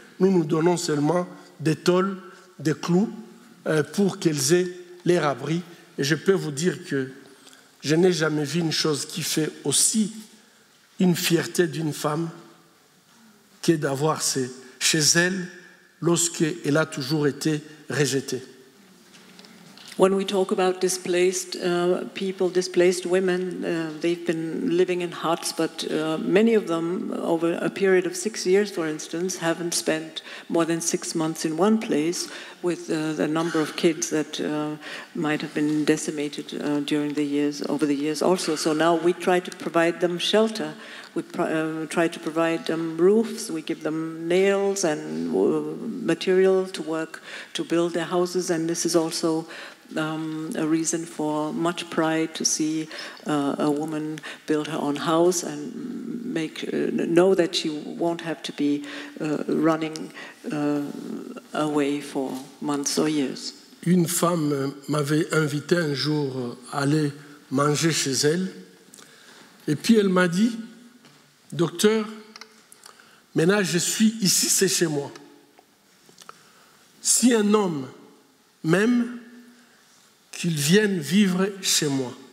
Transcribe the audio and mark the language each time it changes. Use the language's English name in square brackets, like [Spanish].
[French] Nous nous donnons seulement des tôles, des clous pour qu'elles aient leur abri. Et je peux vous dire que je n'ai jamais vu une chose qui fait aussi une fierté d'une femme qu'est d'avoir ses, chez elle lorsqu'elle a toujours été rejetée. [English] When we talk about displaced people, displaced women, they've been living in huts, but many of them, over a period of 6 years, for instance, haven't spent more than 6 months in one place with the number of kids that might have been decimated during the years, over the years also. So now we try to provide them shelter. We try to provide them roofs. We give them nails and material to work, to build their houses, and this is also a reason for much pride to see a woman build her own house and make know that she won't have to be running away for months or years. [French] Une femme m'avait invité un jour à aller manger chez elle, et puis elle m'a dit, docteur, maintenant je suis ici, c'est chez moi. Si un homme m'aime, qu'il vienne vivre chez moi.